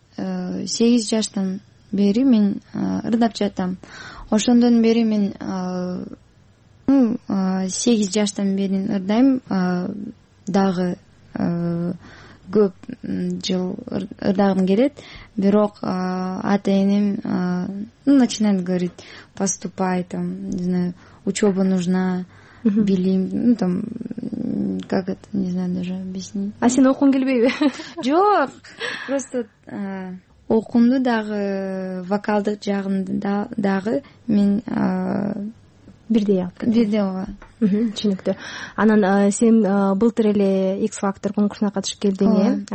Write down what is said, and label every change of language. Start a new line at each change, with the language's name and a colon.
Kyrgyz: 8 жаштан бери мен ырдап жатам. Ошондон бери мен 8 жаштан бери ырдайм. Дагы көп жыл ырдагым келет. Бирок ата энем
Russian: начинает говорить: поступай, там, не знаю, учеба нужна, билим, там, как это, не знаю, даже объяснить.
Kyrgyz: А сен окуң келбейби? Жок, просто окумду дагы, вокалдык жагымды дагы мен бирдей алып кеттим. Бирдей ага. Түшүнүктүү. Анан сен былтыр эле X-Factor конкурсуна катышып келдиң, э?